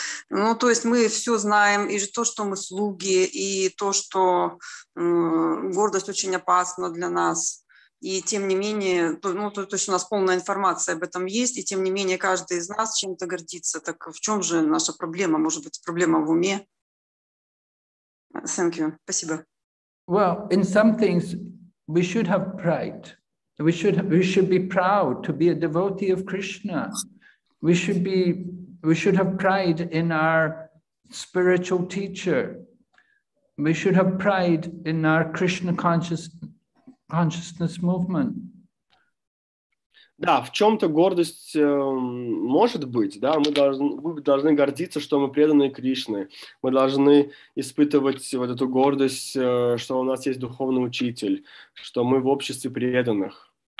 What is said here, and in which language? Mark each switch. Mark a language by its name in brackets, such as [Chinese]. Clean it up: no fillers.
[Russian] Ну, то есть мы все знаем, и то, что мы слуги, и то, что гордость очень опасна для нас. И тем не менее, то есть у нас полная информация об этом есть, и тем не менее каждый из нас чем-то гордится. Так в чем же наша проблема? Может быть, проблема в уме? [English] Thank you. [Russian] Спасибо. [English] Well, in some things we should have pride. We should be proud to be a devotee of Krishna. We should have pride in our spiritual teacher. We should have pride in our Krishna consciousness movement. [Russian] Да, в чем-то гордость может быть, да, мы должны гордиться, что мы преданные Кришне. Мы должны испытывать вот эту гордость, что у нас есть духовный учитель, что мы в обществе преданных.